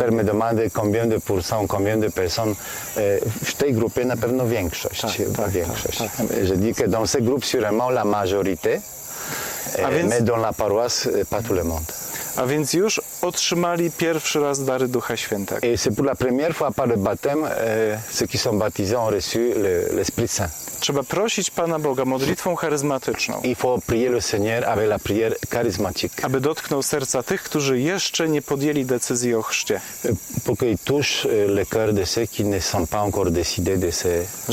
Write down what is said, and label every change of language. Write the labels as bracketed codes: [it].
[fr] Père me demande combien de pourcents, combien de personnes. [pl] W tej grupie na pewno większość. Większość. [fr] Je dis que dans ce groupe, sûrement la majorité. Mais dans la paroisse, pas tout le monde. [pl] A więc już otrzymali pierwszy raz dary Ducha Świętego. [fr] Et c'est pour la première fois par le baptême, ceux qui sont baptisés ont reçu l'Esprit Saint. [pl] Trzeba prosić Pana Boga modlitwą charyzmatyczną. [fr] Il faut prier le Seigneur avec la prière charismatique. [pl] Aby dotknął serca tych, którzy jeszcze nie podjęli decyzji o chrzcie. [fr] Pour qu'ils touchent le cœur de ceux qui ne sont pas encore décidés de se baptiser.